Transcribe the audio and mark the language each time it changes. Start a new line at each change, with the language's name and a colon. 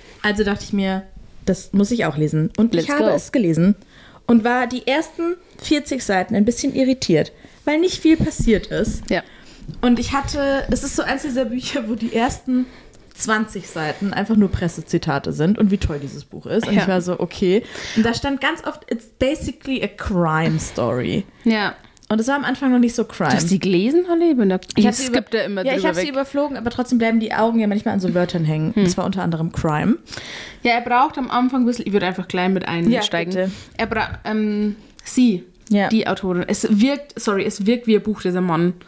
German: Also dachte ich mir, das muss ich auch lesen. Und
English: Let's
German: ich habe
English: go.
German: Es gelesen und war die ersten 40 Seiten ein bisschen irritiert, weil nicht viel passiert ist. Ja. Und ich hatte, es ist so eins dieser Bücher, wo die ersten 20 Seiten einfach nur Pressezitate sind und wie toll dieses Buch ist. Und ich war so, okay. Und da stand ganz oft,
English: it's basically a crime story.
German: Ja. Und es war am Anfang noch nicht so crime. Du hast sie gelesen, Holly? Ich skippe da immer drüber. Ja, ich habe sie überflogen, aber trotzdem bleiben die Augen ja manchmal an so Wörtern hängen. Hm. Das war unter anderem crime. Ja, er braucht am Anfang ein bisschen, ich würde einfach klein mit einsteigen. Ja, er braucht, sie. Ja. Die Autorin. Es wirkt wie ein Buch, dieser Mann.